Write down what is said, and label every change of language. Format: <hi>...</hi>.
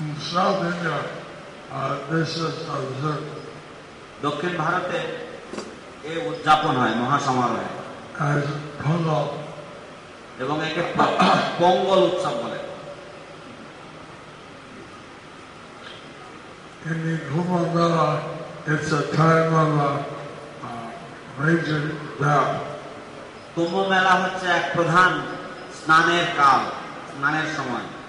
<en>South India, this is observed.</en> <bn>দক্ষিণ ভারতে এই উদযাপন হয় মহাসমারোহে।</bn> <en>As Pongal.</en> <bn>এবং একে পোঙ্গল উৎসব বলে।</bn> <en>In the Kumbhamela, it's a time of a major bath.</en> <bn>কুম্ভ মেলা হচ্ছে এক প্রধান স্নানের কাল, স্নানের সময়।</bn>